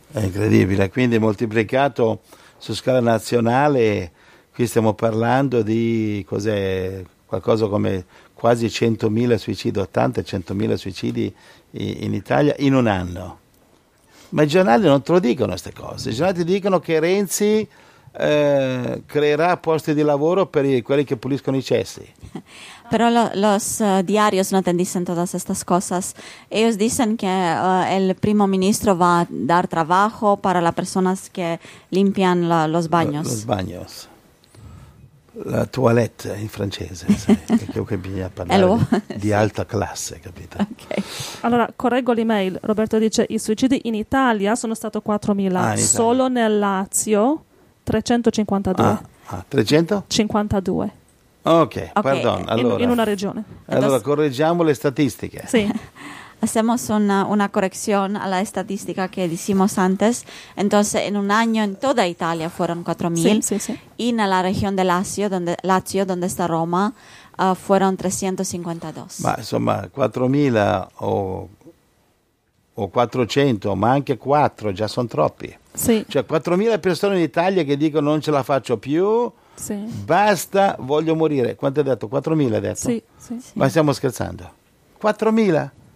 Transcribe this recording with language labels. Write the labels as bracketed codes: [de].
[it] È incredibile, quindi moltiplicato su scala nazionale, qui stiamo parlando di qualcosa come quasi 100.000 suicidi, 80-100.000 suicidi in Italia in un anno. Ma i giornali non te lo dicono queste cose, i giornali ti dicono che Renzi creerà posti di lavoro per quelli che puliscono i cessi. Però [es] los diarios no te dicen todas estas cosas. Ellos dicen que el [it] primo ministro [es] va a dar trabajo para las personas que limpian los baños. Los baños. [it] La toilette in francese, sai, perché bisogna parlare di alta classe, capito? Okay. Allora, correggo l'email. Roberto dice, i suicidi in Italia sono stati 4.000, solo nel Lazio 352. Ah, 300? 52. Okay, pardon. Allora, in una regione. Allora, correggiamo le statistiche. Sì. [es] Hacemos una corrección a la estadística que decimos antes. Entonces, en un año en toda Italia fueron 4.000. Sí, sí, sí. Y en la región de Lazio, donde está Roma, fueron 352. [it] Ma insomma, 4.000 o 400, ma anche 4 già sono troppi. Sì. Cioè, 4.000 persone in Italia che dicono non ce la faccio più. Sì. Basta, voglio morire. Quanto hai detto? 4.000 hai detto? Sì, sì, sì. Ma stiamo scherzando. 4.000?